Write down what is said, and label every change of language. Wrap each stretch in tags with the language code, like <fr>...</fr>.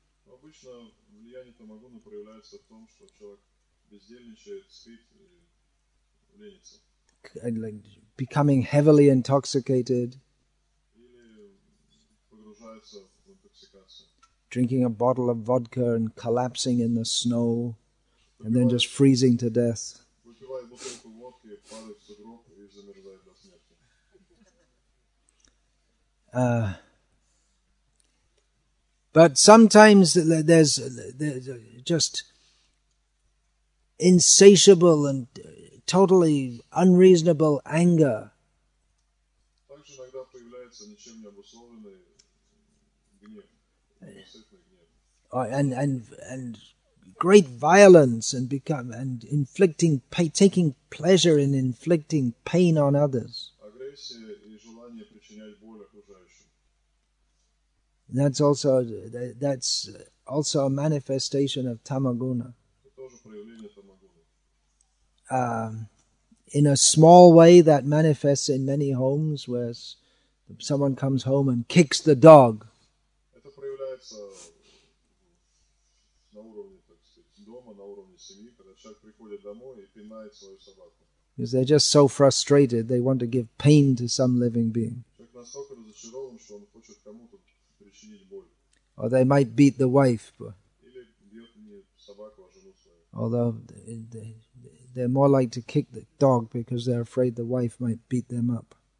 <ru>Обычно влияние тамагуна проявляется в том, что человек бездельничает, спит, ленится.</ru> <en>And like becoming heavily intoxicated.</en> <ru>Или погружается в интоксикацию.</ru> <en>Drinking a bottle of vodka and collapsing in the snow and then just freezing to death.</en> <ru>Выпивает бутылку водки, падает в сугроб и замерзает до смерти.</ru> <en>But sometimes there's just insatiable and totally unreasonable anger.</en> <ru>Также иногда появляется ничем не обусловленный гнев.</ru> <en>And great violence and become and inflicting pain, taking pleasure in inflicting pain on others.</en> <ru>Агрессия и желание причинять боль окружающим.</ru> <en>That's also a manifestation of tamaguna.</en> <ru>Это тоже проявление тамагуны.</ru> <en>In a small way, that manifests in many homes, where someone comes home and kicks the dog.</en> <ru>Это проявляется на уровне, так сказать, дома, на уровне семьи, когда человек приходит домой и пинает свою собаку.</ru> <en>Because they're just so frustrated, they want to give pain to some living being.</en> <ru>Человек настолько разочарован, что он хочет кому-то причинить боль.</ru> <en>Or they might beat the wife.</en> <ru>Или бьет не собаку, а жену свою.</ru> <en>Although they're more like to kick the dog because they're afraid the wife might beat them up.</en>